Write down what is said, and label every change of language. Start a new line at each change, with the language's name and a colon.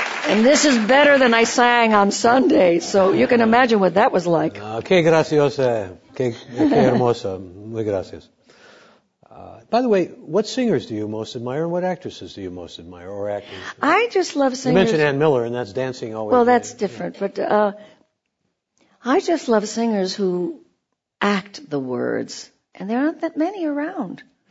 English: And this is better than I sang on Sunday, so you can imagine what that was like.
Spanish: Qué graciosa, qué hermosa, muy gracias.
English: By the way, what singers do you most admire, and what actresses do you most admire, or actors? I just love singers. You mentioned Ann Miller, and that's dancing always. Well, that's different, but I just love singers who act the words, and there aren't that many around.